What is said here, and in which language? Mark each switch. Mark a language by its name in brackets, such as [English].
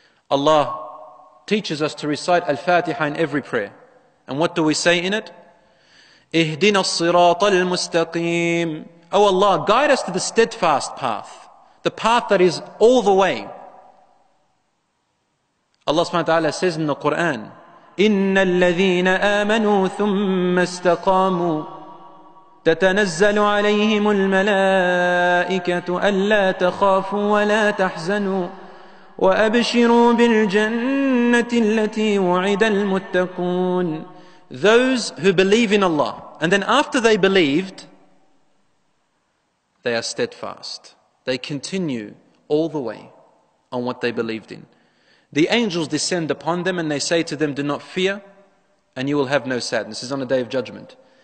[English] Allah teaches us to recite al-Fatiha in every prayer. And what do we say in it? [Arabic] Ihdina al-sirat al-mustaqim. [English] Oh Allah, guide us to the steadfast path, the path that is all the way. Allah subhanahu wa ta'ala says in the Quran, [Arabic] إِنَّ الَّذِينَ آمَنُوا ثُمَّ اسْتَقَامُوا تَتَنَزَّلُ عَلَيْهِمُ الْمَلَائِكَةُ أَلَّا تَخَافُوا وَلَا تَحْزَنُوا وَأَبْشِرُوا بِالْجَنَّةِ الَّتِي وُعِدَ الْمُتَّقُونَ. [English] Those who believe in Allah, and then after they believed, they are steadfast. They continue all the way on what they believed in. The angels descend upon them and they say to them, do not fear and you will have no sadness. This is on the day of judgment.